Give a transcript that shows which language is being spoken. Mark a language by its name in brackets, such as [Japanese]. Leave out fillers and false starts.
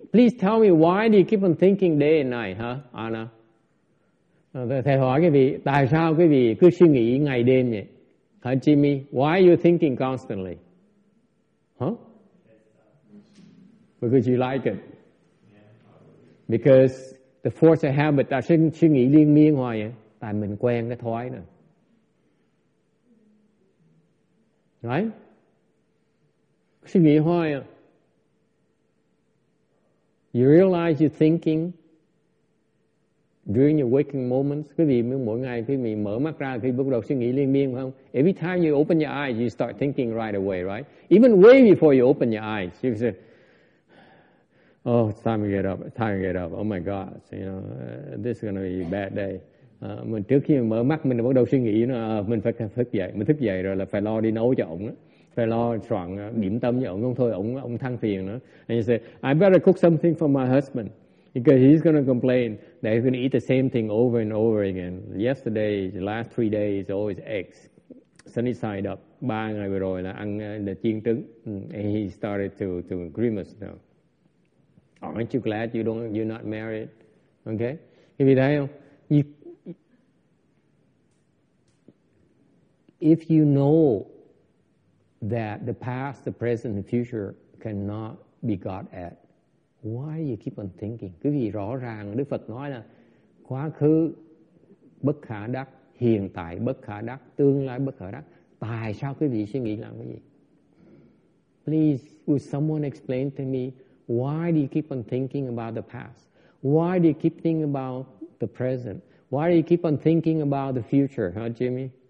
[English] Please tell me why do you keep on thinking day and night, huh, Anna? [Vietnamese] Thầy hỏi quý vị, tại sao quý vị cứ suy nghĩ ngày đêm vậy? [English] Hả, Jimmy? Why are you thinking constantly? Huh? Because you like it. Because the force of habit, [Vietnamese] ta sẽ suy nghĩ liên miên hoài vậy. Tại mình quen cái thói nè. Right? Suy nghĩ hoài à. [English] You realize you're thinking during your waking moments. [Vietnamese] Quý vị mỗi ngày khi mình mở mắt ra, khi bắt đầu suy nghĩ liên miên không? [English] Every time you open your eyes, you start thinking right away, right? Even way before you open your eyes, you say, oh, it's time to get up. Oh my God, this is going to be a bad day. [Vietnamese] Mình trước khi mở mắt mình bắt đầu suy nghĩ nó mình phải thức dậy. Mình thức dậy rồi là phải lo đi nấu cho ổng, phải lo soạn điểm tâm cho ổng, không thôi ổng than phiền nữa. [English] And you say, I better cook something for my husband because he's going to complain that he's going to eat the same thing over and over again. Yesterday, the last 3 days, always eggs, sunny side up. [Vietnamese] Ba ngày vừa rồi là ăn là chiên trứng. [English] And he started to grimace now. Aren't you glad you're not married? Okay? [Vietnamese] Quý vị thấy không? [English] If you know that the past, the present, the future cannot be got at, why do you keep on thinking? [Vietnamese] Quý vị rõ ràng Đức Phật nói là quá khứ bất khả đắc, hiện tại bất khả đắc, tương lai bất khả đắc. Tại sao quý vị suy nghĩ làm cái gì? [English] Please, would someone explain to me why do you keep on thinking about the past? Why do you keep thinking about the present? Why do you keep on thinking about the future, huh, Jimmy?